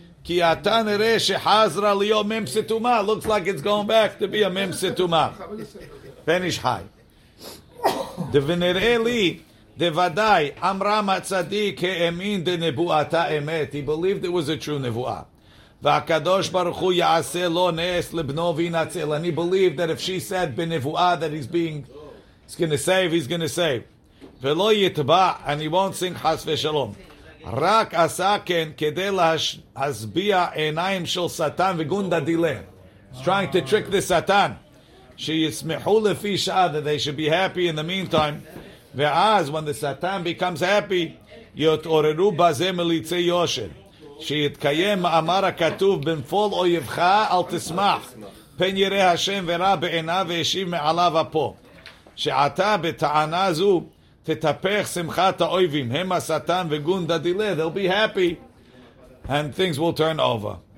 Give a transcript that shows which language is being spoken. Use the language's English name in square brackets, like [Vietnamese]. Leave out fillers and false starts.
[Hebrew] כי אתה נראה שחזרה להיות מם סתומה. [English] Looks like it's going back to be a [Hebrew] מם סתומה. פניש חי. ונראה לי, דוודאי, אמרה מצדיק, האמין דנבואתה אמת. [English] He believed it was a true [Hebrew] נבואה. והקדוש ברוך הוא יעשה לו נס לבנו וינצל. [English] And he believed that if she said בנבואה that he's going to save. [Hebrew] ולא יתבע, [English] and he won't sing [Hebrew] חס ושלום. רק עשה כן כדי להשביע עיניים של שטן וגונדה דילה. [English] He's trying to trick the שטן. [Hebrew] שישמחו לפי שעה, [English] that they should be happy in the meantime. [Hebrew] ואז, [English] when the שטן becomes happy, [Hebrew] יתעוררו בזה מליצי יושן. שיתקיים מאמר הכתוב בנפול אויבך אל תשמח פן ירא השם ורע בעיניו וישיב מעליו אפו שעתה בטענה זו תתפך שמחת האויבים הם השטן וגונדה דילה. [English] They'll be happy and things will turn over.